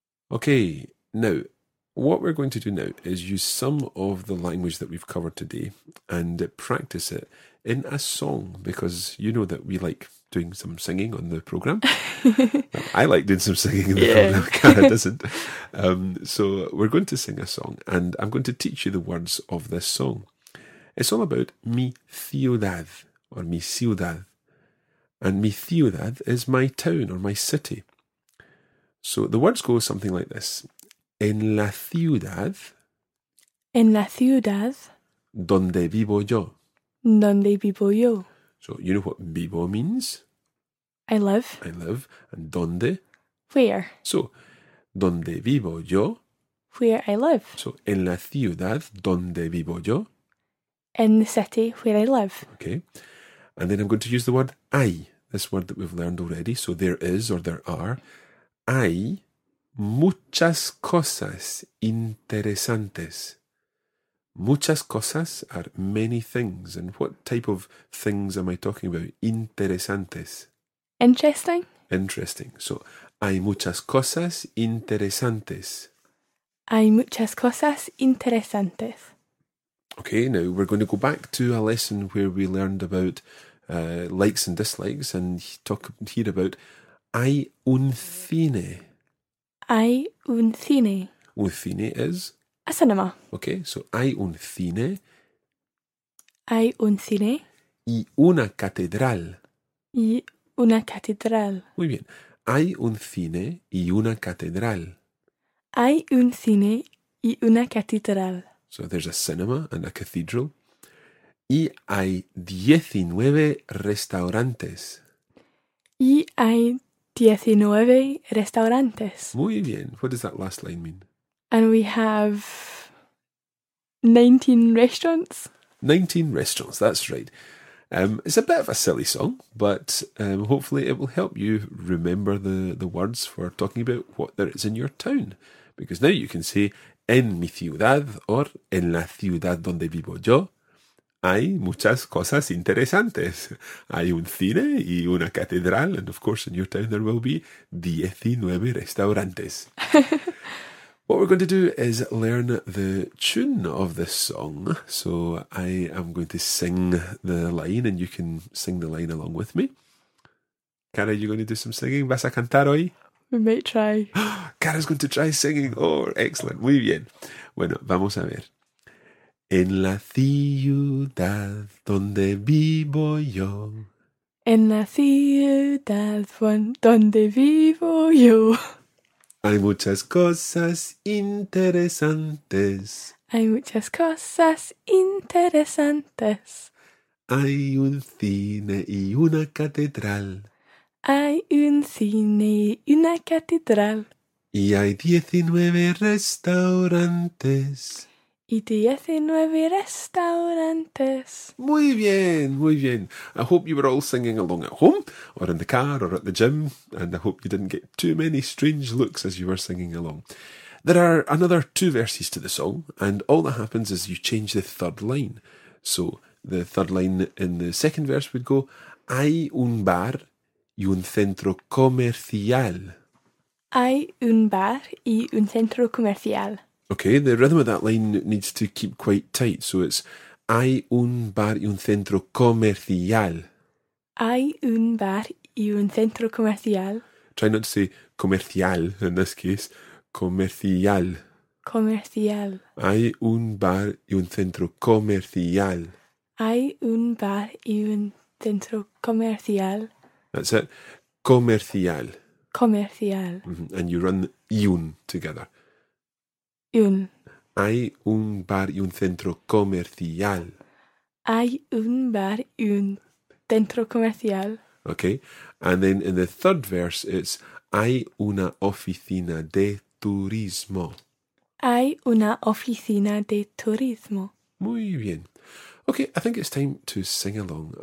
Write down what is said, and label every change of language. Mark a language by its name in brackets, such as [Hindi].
[English] Okay, now, what we're going to do now is use some of the language that we've covered today and practice it in a song, because you know that we like doing some singing on the programme. I like doing some singing in the programme, Cara doesn't. So we're going to sing a song and I'm going to teach you the words of this song. It's all about [Spanish] mi ciudad [English] or mi ciudad. And [Spanish] mi ciudad [English] is my town or my city. So the words go something like this. [Spanish] En la ciudad. En la ciudad. Donde vivo yo. Donde vivo yo. [English] So you know what vivo means? I live. I live. And donde? Where. [Spanish] So, donde vivo yo. [English] Where I live. [Spanish] So, en la ciudad, donde vivo yo. [English] In the city where I live. Okay. And then I'm going to use the word hay, this word that we've learned already. So there is or there are. [Spanish] Hay muchas cosas interesantes. Muchas cosas [English] are many things. And what type of things am I talking about? Interesantes. Interesting? Interesting. [Spanish] So, hay muchas cosas interesantes. Hay muchas cosas interesantes. [English] Okay, now we're going to go back to a lesson where we learned about likes and dislikes and talk here about [Spanish] hay un cine. Hay un cine. Un cine is? [English] A cinema. [Spanish] Okay, so hay un cine. Hay un cine. Y una catedral. Y una catedral. Muy bien. Hay un cine y una catedral. Hay un cine y una catedral. [English] So there's a cinema and a cathedral. [Spanish] Y hay 19 restaurantes. Y hay 19 restaurantes. Muy bien. [English] What does that last line mean? And we have 19 restaurants. 19 restaurants, that's right. It's a bit of a silly song, but hopefully it will help you remember the words for talking about what there is in your town. Because now you can say, [Spanish] en mi ciudad, or en la ciudad donde vivo yo, hay muchas cosas interesantes. Hay un cine y una catedral, [English] and of course in your town there will be [Spanish] 19 restaurantes. [English] What we're going to do is learn the tune of this song. So I am going to sing the line and you can sing the line along with me. Cara, you're going to do some singing? [Spanish] ¿Vas a cantar hoy? [English] We may try. Cara's going to try singing. Oh, excellent. [Spanish] Muy bien. Bueno, vamos a ver. En la ciudad donde vivo yo. En la ciudad donde vivo yo. Hay muchas cosas interesantes. Hay muchas cosas interesantes. Hay un cine y una catedral. Hay un cine y una catedral. Y hay 19 restaurantes. Y 19 restaurantes. Muy bien, muy bien. [English] I hope you were all singing along at home, or in the car, or at the gym, and I hope you didn't get too many strange looks as you were singing along. There are another two verses to the song, and all that happens is you change the third line. So the third line in the second verse would go, [Spanish] hay un bar y un centro comercial. Hay un bar y un centro comercial. [English] Okay, the rhythm of that line needs to keep quite tight. [Spanish] So it's, hay un bar y un centro comercial. Hay un bar y un centro comercial. [English] Try not to say comercial in this case. [Spanish] Comercial. Comercial. Hay un bar y un centro comercial. Hay un bar y un centro comercial. [English] That's it. Comercial. [Spanish] Comercial. [English] Mm-hmm. And you run [Spanish] y un [English] together. [Spanish] Un. Hay un bar y un centro comercial. Hay un bar y un centro comercial. [English] Okay. And then in the third verse it's hay una oficina de turismo. [Spanish] Hay una oficina de turismo. Muy bien. [English] Okay, I think it's time to sing along.